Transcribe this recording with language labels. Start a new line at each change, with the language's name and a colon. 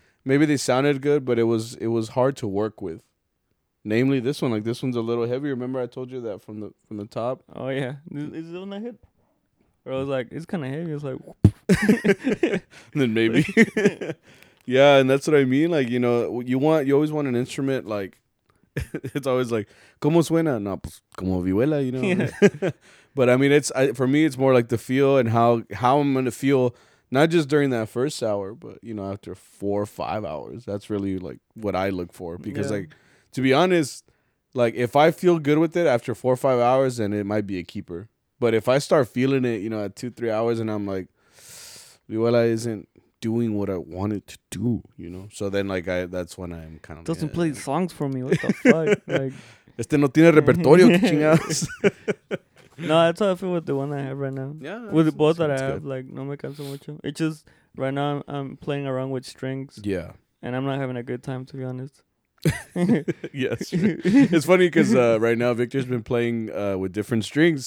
English: Maybe they sounded good, but it was hard to work with. Namely, this one. Like, this one's a little heavier. Remember I told you that from the top? Oh, yeah. Is it on the hip? Or I was like, it's kind of heavy. It's like... then maybe. Yeah, and that's what I mean. Like, you know, you always want an instrument, like... it's always like,
Spanish: ¿cómo suena? No, pues, como vihuela,
English: you know? Yeah. But, I mean, for me, it's more like the feel and how I'm going to feel... Not just during that first hour, but, you know, after 4 or 5 hours. That's really, like, what I look for. Because, yeah. like, to be honest, like, if I feel good with it after 4 or 5 hours, then it might be a keeper. But if I start feeling it, you know, at 2, 3 hours, and I'm like, Vihuela isn't doing what I want it to do, you know? So then, like, that's when I'm kind of... Doesn't play songs for me. What the fuck? Like,
Spanish: este no tiene repertorio, que chingados.
English: No, that's how I feel with the one I have right now. Yeah. With both that I have, good. Like,
Spanish: no me canso mucho.
English: It's just, right now, I'm playing around with strings. Yeah. And I'm not having a good time, to be honest. Yes. Yeah, it's funny because right now, Victor's been playing with different strings.